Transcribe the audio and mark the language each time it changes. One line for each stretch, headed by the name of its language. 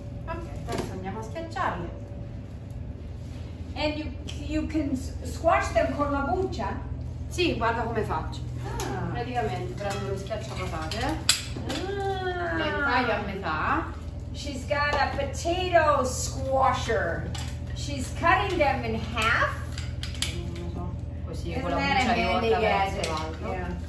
Italian: Okay, adesso andiamo a schiacciarle.
English: And you can squash them
Italian: con la buccia? Sì, guarda come faccio. Ah. Praticamente prendo lo schiacciapatate. Le taglio a metà.
English: She's got a potato squasher. She's cutting them in half.
Italian: Così con la buccia rivolta verso l'alto.